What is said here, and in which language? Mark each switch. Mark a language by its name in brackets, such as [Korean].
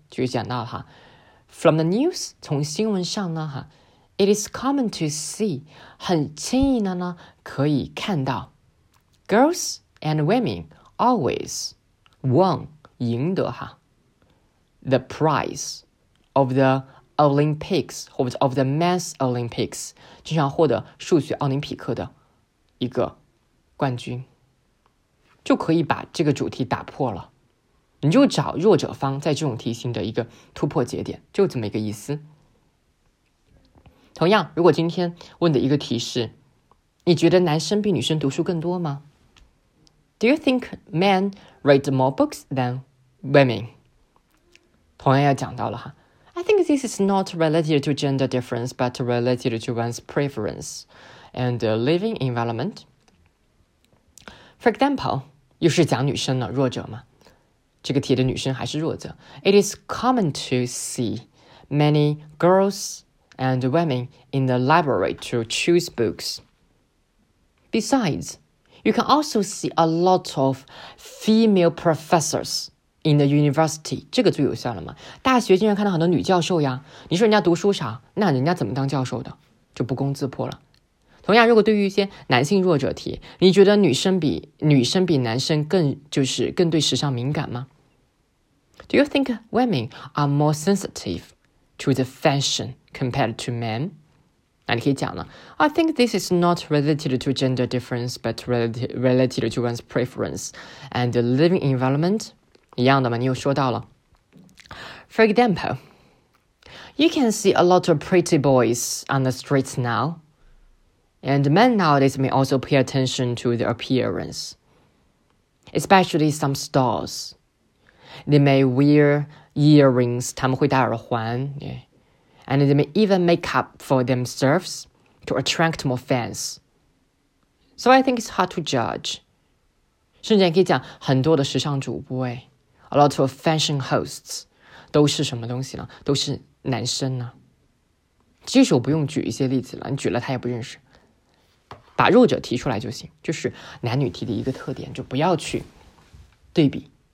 [Chinese] 就讲到哈 ， [English] from the news， [Chinese] 从新闻上呢哈 ， [English] it is common to see， [Chinese] 很轻易的呢可以看到 ， [English] girls and women always won [Chinese] 赢得哈 ， [English] the prize of the Olympics [Chinese] 或者 [English] of the men's Olympics， [Chinese] 经常获得数学奥林匹克的一个冠军，就可以把这个主题打破了。你就找弱者方在这种题型的一个突破节点，就这么一个意思。同样，如果今天问的一个题是，你觉得男生比女生读书更多吗？ [English] Do you think men read more books than women? [Chinese] 同样要讲到了哈， [English] I think this is not related to gender difference, but related to one's preference and living environment. For example, [Chinese] 又是讲女生了，弱者嘛。这个题的女生还是弱者。 [English] It is common to see many girls and women in the library to choose books. Besides, you can also see a lot of female professors in the university. [Chinese] 这个最有效了吗？大学竟然看到很多女教授呀。你说人家读书啥？那人家怎么当教授的？就不攻自破了。同样，如果对于一些男性弱者题，你觉得女生比男生更就是更对时尚敏感吗？ [English] Do you think women are more sensitive to the fashion compared to men? [Chinese] 那你可以讲了， [English] I think this is not related to gender difference, but related to one's preference and the living environment. [Chinese] 一样的嘛，你又说到了。 [English] For example, you can see a lot of pretty boys on the streets now. And men nowadays may also pay attention to their appearance, especially some stars. They may wear earrings, [Chinese] 他们会戴耳环 [English] yeah. And they may even make up for themselves to attract more fans. So I think it's hard to judge. [Chinese] 甚至你可以讲很多的时尚主播 [English] a lot of fashion hosts, [Chinese] 都是什么东西呢？都是男生呢？其实我不用举一些例子了，你举了他也不认识。把弱者提出来就行，就是男女题的一个特点，就不要去对比。